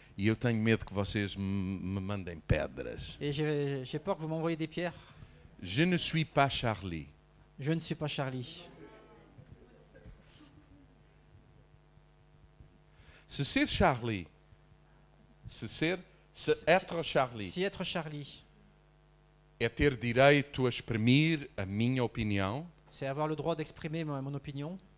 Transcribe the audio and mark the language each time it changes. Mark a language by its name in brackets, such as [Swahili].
[Portuguese] E eu tenho medo que vocês me mandem pedras. [French] Et j'ai peur que vous m'envoyez des pierres. Je ne suis pas Charlie. Je ne suis pas Charlie. [Portuguese] Se ser Charlie, [French] se être Charlie, [Portuguese] é ter direito a exprimir a minha opinião. [French] C'est avoir le droit d'exprimer mon opinion.